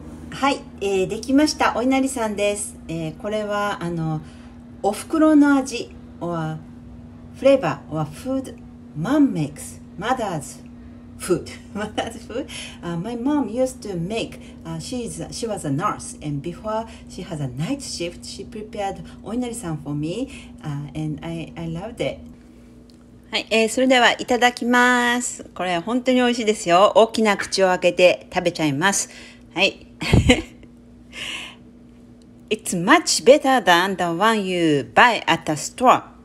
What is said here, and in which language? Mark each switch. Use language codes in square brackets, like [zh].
[ja] はい、できました。oinarisan です。これはお袋の味 [en] or flavor or food mom makes, mother's food. Mother's food. My mom used to make. She was a nurse, and before she has a night shift, she prepared oinarisan for me, and I loved it. [ja] はい、それではいただきます。これ本当に美味しいですよ。大きな口を開けて食べちゃいます。はい。 [en] It's much better than the one you buy at the store.